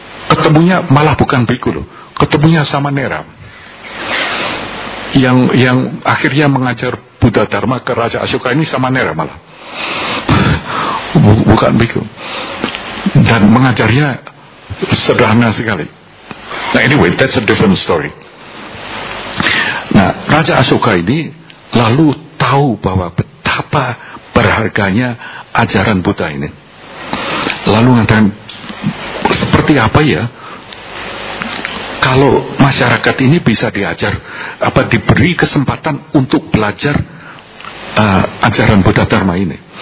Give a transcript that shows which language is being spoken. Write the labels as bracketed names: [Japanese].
[Indonesian] Ketemunya malah bukan Bhikkhu loh, ketemunya sama Nera yang akhirnya mengajar Buddha Dharma ke Raja Asoka ini, sama Nera malah, bukan Bhikkhu, dan mengajarnya sederhana sekali. [English] Nah, anyway, that's a different story. [Indonesian] Nah, Raja Asoka ini lalu tahu bahwa betapa berharganya ajaran Buddha ini. Lalu mengatakan, seperti apa ya kalau masyarakat ini bisa diajar, apa diberi kesempatan untuk belajar ajaran Buddha Dharma ini.